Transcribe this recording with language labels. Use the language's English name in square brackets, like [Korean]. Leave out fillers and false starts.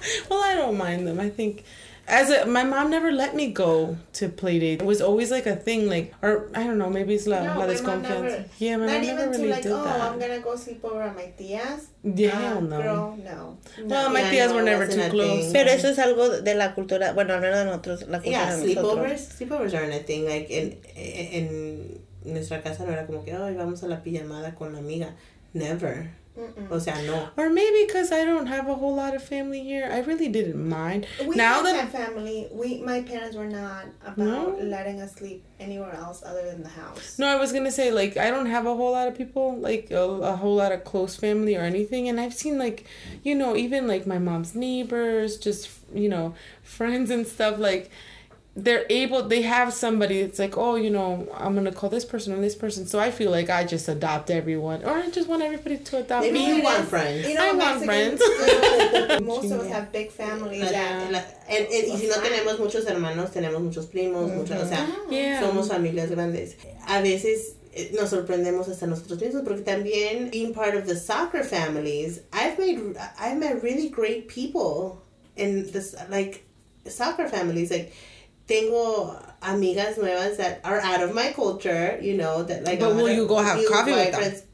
[English] Well, I don't mind them. I think, my mom never let me go to play date. It was always like a thing, like, or I don't know, maybe it's [Spanish] la desconfianza. [English] Never, yeah, my mom never really did that. Not even to like, oh, that. I'm gonna go sleep over at my tías. Yeah, girl, no. No. Well, my tías were never too close. [Spanish] Pero eso es algo de la cultura, bueno, no era de nosotros, la cultura [English] yeah, [Spanish] de nosotros. [English] Sleepovers aren't a thing. [Spanish] Like, en nuestra casa no era como que, oh, vamos a la pijamada con la amiga. Never. Mm-mm. O sea, no. [English] Or maybe because I don't have a whole lot of family here. I really didn't mind. My parents were not letting us sleep anywhere else other than the house. No, I was going to say, like, I don't have a whole lot of people, like, a whole lot of close family or anything. And I've seen, like, you know, even, like, my mom's neighbors, just, you know, friends and stuff, like, they have somebody that's like, oh, you know, I'm going to call this person and this person. So I feel like I just adopt everyone. Or I just want everybody to adopt me. Maybe you want friends. You know, I want friends. Most of us have big families. [Spanish] Y si no tenemos muchos hermanos, tenemos muchos primos. Mm-hmm. Somos familias grandes. A veces nos sorprendemos hasta nosotros mismos. Porque también, [English] being part of the soccer families, I've met really great people in this, like, soccer families. Like, [Spanish] tengo amigas nuevas [English] that are out of my culture, you know, that, like... But will you go have coffee with friends. Them?